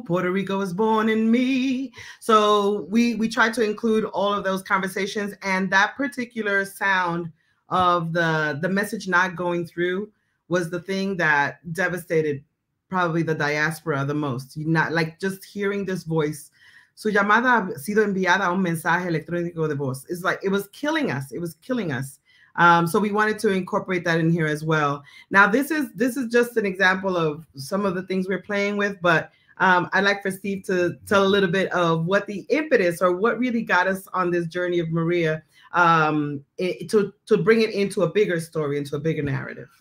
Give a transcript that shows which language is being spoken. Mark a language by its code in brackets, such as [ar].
[en] Puerto Rico was born in me. So we tried to include all of those conversations, and that particular sound of the message not going through was the thing that devastated probably the diaspora the most. Not like just hearing this voice. [es] Su llamada ha sido enviada a un mensaje electrónico de voz. [en] It's like, it was killing us. It was killing us. So we wanted to incorporate that in here as well. Now, this is just an example of some of the things we're playing with, but I'd like for Steve to tell a little bit of what the impetus or what really got us on this journey of Maria to bring it into a bigger story, into a bigger narrative.